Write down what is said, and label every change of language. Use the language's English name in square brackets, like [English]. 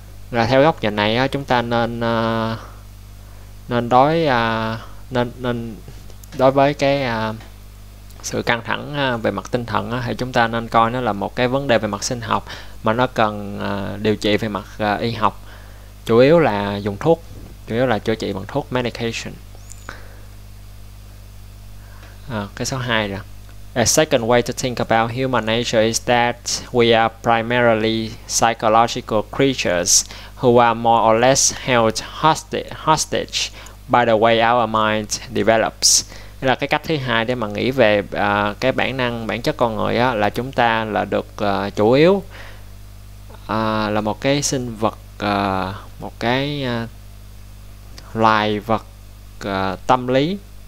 [Vietnamese] Là theo góc nhìn này chúng ta nên nên đối nên nên đối với cái sự căng thẳng về mặt tinh thần thì chúng ta nên coi nó là một cái vấn đề về mặt sinh học mà nó cần điều trị về mặt y học, chủ yếu là dùng thuốc, chủ yếu là chữa trị bằng thuốc medication. Cái số 2 rồi. [English] A second way to think about human nature is that we are primarily psychological creatures who are more or less held hostage by the way our mind develops. [Vietnamese] Đây là cái cách thứ hai để mà nghĩ về cái bản năng, bản chất con người á, là chúng ta là được chủ yếu là một cái sinh vật, một cái loài vật tâm lý.